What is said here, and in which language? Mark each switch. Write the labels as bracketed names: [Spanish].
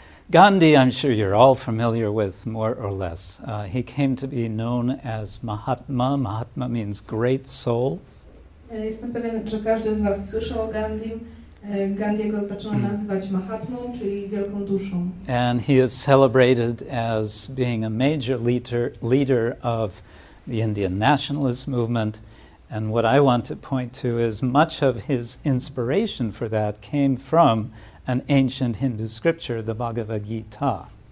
[English] Gandhi, I'm sure you're all familiar with, more or less. He came to be known as Mahatma. Mahatma means great soul. [Polish] Jestem pewien, że każdy z was słyszał o Gandhi. Gandhiego zaczęło nazywać Mahatmą, czyli wielką duszą. [English] And he is celebrated as being a major leader of the Indian nationalist movement. And what I want to point to is much of his inspiration for that came from an ancient Hindu scripture, the Bhagavad Gita.